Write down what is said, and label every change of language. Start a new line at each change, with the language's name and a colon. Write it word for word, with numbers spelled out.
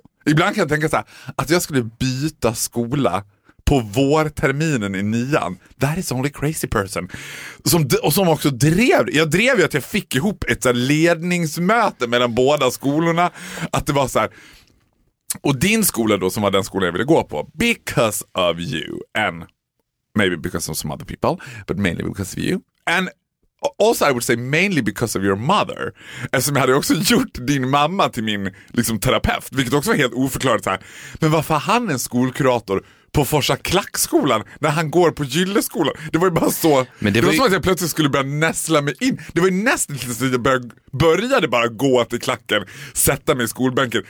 Swedish: Ibland kan jag tänka så här, att jag skulle byta skola på vårterminen i nian.
English: That is only crazy person.
Swedish: Som, och som också drev. Jag drev ju att jag fick ihop ett så här ledningsmöte mellan båda skolorna. Att det var så här. Och din skola då som var den skola jag ville gå på.
English: Because of you and maybe because of some other people, but mainly because of you. And also I would say mainly because of your mother.
Swedish: Eftersom jag hade också gjort din mamma till min liksom, terapeut. Vilket också var helt oförklarat så här. Men varför har han en skolkurator på Forsa Klackskolan när han går på Gylleskolan? Det var ju bara så... Men det var, det var ju... som att jag plötsligt skulle börja näsla mig in. Det var ju nästan tills jag började, började bara gå till klacken, sätta mig i skolbänken.